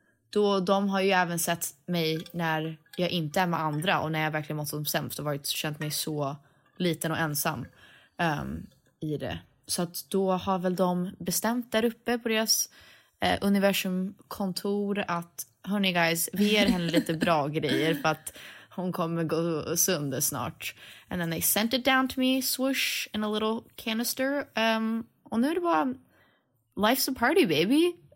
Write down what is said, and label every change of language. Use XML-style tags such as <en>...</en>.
<sv>Då de har ju även sett mig när jag inte är med andra och när jag verkligen mått som sämst och varit känt mig så liten och ensam i det. Så att då har väl de bestämt där uppe på deras universumkontor att hörni guys, vi ger henne lite bra grejer för att hon kommer gå sönder snart.</sv> <en>And then they sent it down to me, swoosh, in a little canister.</en> <sv>Och nu är det bara</sv> <en>life's a party, baby.</en>